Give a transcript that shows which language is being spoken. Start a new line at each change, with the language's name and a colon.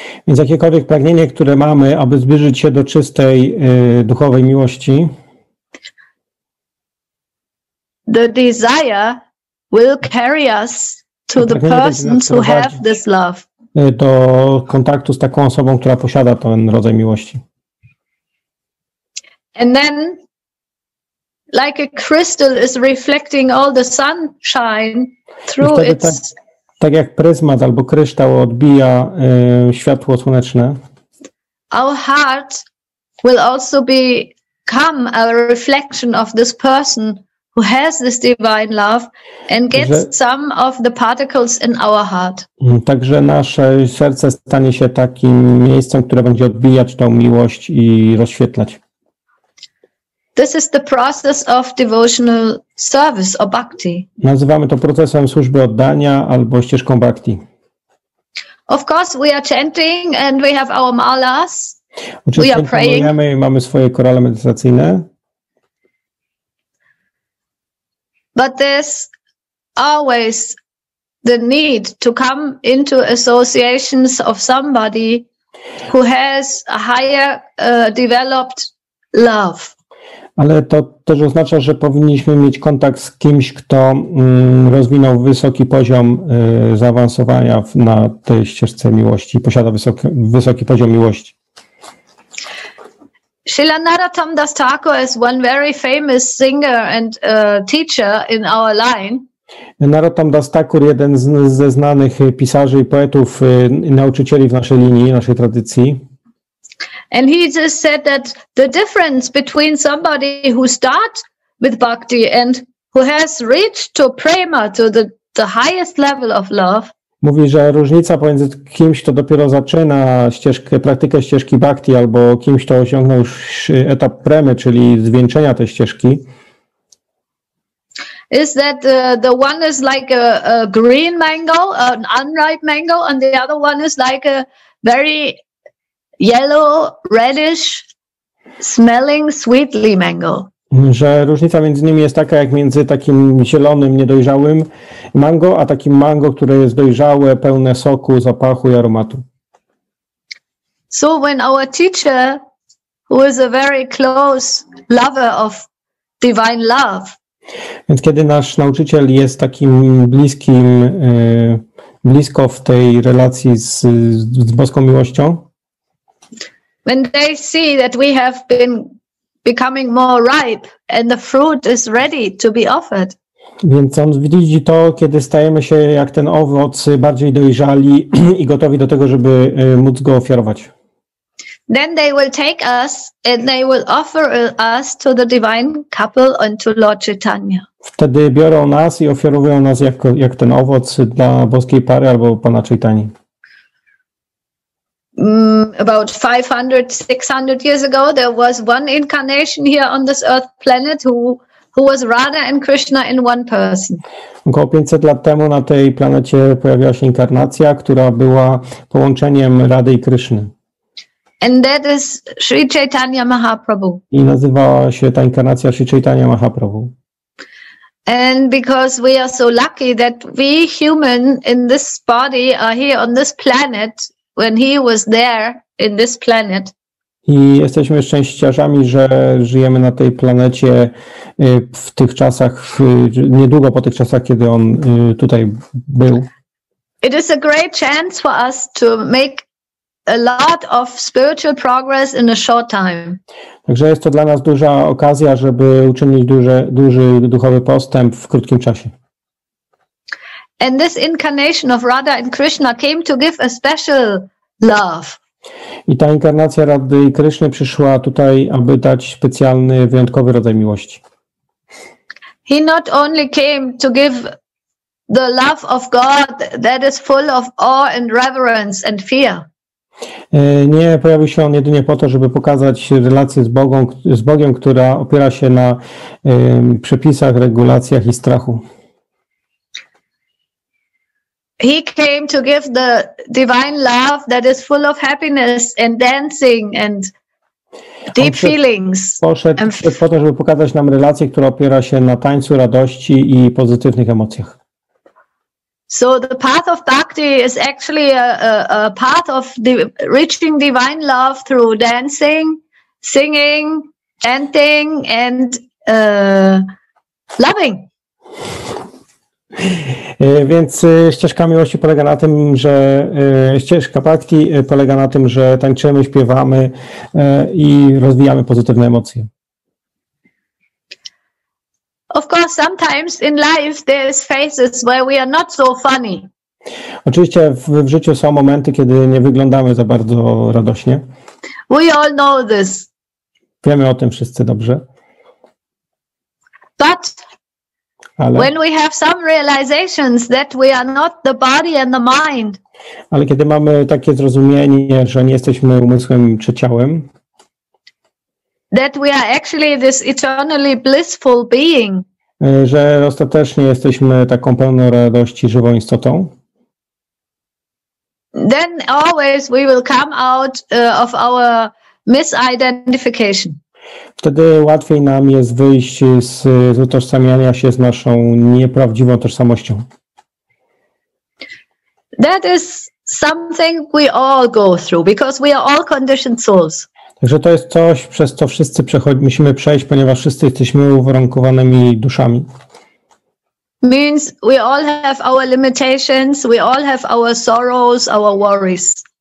Polish: Więc jakiekolwiek pragnienie, które mamy, aby zbliżyć się do czystej duchowej miłości,
English: the desire will carry us to the persons who have this love.
Polish: Do kontaktu z taką osobą, która posiada ten rodzaj miłości.
English: And then, like a crystal is reflecting all the sunshine through its...
Polish: Tak jak pryzmat albo kryształ odbija światło słoneczne,
English: our heart will also become a reflection of this person who has this divine love and gets some of the particles in our heart.
Polish: Także nasze serce stanie się takim miejscem, które będzie odbijać tą miłość i rozświetlać.
English: This is the process of devotional service or bhakti.
Polish: Nazywamy to procesem służby oddania albo ścieżką bhakti.
English: Of course we are chanting and we have our malas.
Polish: Oczywiście
English: we are praying.
Polish: Mówimy, mamy swoje korale medytacyjne.
English: But there's always the need to come into associations of somebody who has a higher developed love.
Polish: Ale to też oznacza, że powinniśmy mieć kontakt z kimś, kto rozwinął wysoki poziom zaawansowania na tej ścieżce miłości, posiada wysoki poziom miłości.
English: Srila Narottam Das Thakur is one very famous singer and teacher in our line.
Polish: Narottam Das Thakur, jeden ze znanych pisarzy i poetów, nauczycieli w naszej linii, naszej tradycji.
English: And he just said that the difference between somebody who starts with bhakti and who has reached to prema, to the highest level of love.
Polish: Mówi, że różnica pomiędzy kimś, kto dopiero zaczyna praktykę ścieżki bhakti, albo kimś, kto osiągnął już etap premy, czyli zwieńczenia tej ścieżki,
English: is that the one is like a green mango, an unripe mango, and the other one is like a very yellow, reddish, smelling sweetly mango.
Polish: Że różnica między nimi jest taka, jak między takim zielonym, niedojrzałym mango, a takim mango, które jest dojrzałe, pełne soku, zapachu i aromatu.
English: So when our teacher, who is a very close lover of divine love,
Polish: więc kiedy nasz nauczyciel jest takim bliskim, blisko w tej relacji z boską miłością,
English: when they see that we have been becoming more ripe and the fruit is ready to be offered,
Polish: Więc on widzi to, kiedy stajemy się jak ten owoc, bardziej dojrzali i gotowi do tego, żeby móc go ofiarować.
English: Then they will take us and they will offer us to the divine couple and to Lord Chaitanya.
Polish: Wtedy biorą nas i ofiarowują nas jak ten owoc dla boskiej pary albo pana Chaitani.
English: About 500, 600 years ago, there was one incarnation here on this earth planet who was Radha and Krishna in one person.
Polish: Około 500 lat temu na tej planecie pojawiła się inkarnacja, która była połączeniem Rady i Kryszny.
English: And that is Sri Chaitanya Mahaprabhu.
Polish: I nazywała się ta inkarnacja Sri Chaitanya Mahaprabhu.
English: And because we are so lucky that we human in this body are here on this planet when he was there in this planet.
Polish: I jesteśmy szczęściarzami, że żyjemy na tej planecie w tych czasach, niedługo po tych czasach, kiedy on tutaj był.
English: It is a great chance for us to make a lot of spiritual progress in a short time.
Polish: Także jest to dla nas duża okazja, żeby uczynić duży duchowy postęp w krótkim czasie.
English: And this incarnation of Radha and Krishna came to give a special love.
Polish: I ta inkarnacja Rady i Kryszny przyszła tutaj, aby dać specjalny, wyjątkowy rodzaj miłości.
English: He not only came to give the love of God that is full of awe and reverence and fear.
Polish: Nie pojawił się on jedynie po to, żeby pokazać relację z Bogiem, która opiera się na przepisach, regulacjach i strachu.
English: He came to give the divine love that is full of happiness and dancing and deep feelings.
Polish: Poszedł po to, żeby pokazać nam relację, która opiera się na tańcu, radości i pozytywnych emocjach.
English: So the path of bhakti is actually a path of reaching divine love through dancing, singing, chanting and loving.
Polish: Więc ścieżka miłości polega na tym, że ścieżka bhakti polega na tym, że tańczymy, śpiewamy i rozwijamy pozytywne emocje.
English: Of course, sometimes in life there is phases where we are not so funny.
Polish: Oczywiście w życiu są momenty, kiedy nie wyglądamy za bardzo radośnie.
English: We all know this.
Polish: Wiemy o tym wszyscy dobrze.
English: But
Polish: ale
English: when we have some realizations that we are not the body and the mind.
Polish: Ale kiedy mamy takie zrozumienie, że nie jesteśmy umysłem czy ciałem.
English: That we are actually this eternally blissful being.
Polish: Że ostatecznie jesteśmy taką pełną radości żywą istotą.
English: Then always we will come out of our misidentification.
Polish: Wtedy łatwiej nam jest wyjść z utożsamiania się z naszą nieprawdziwą tożsamością.
English: That is something we all go through because we are all conditioned souls.
Polish: Także to jest coś, przez co wszyscy musimy przejść, ponieważ wszyscy jesteśmy uwarunkowanymi duszami.
English: Means we all have our limitations, we all have our sorrows, our worries.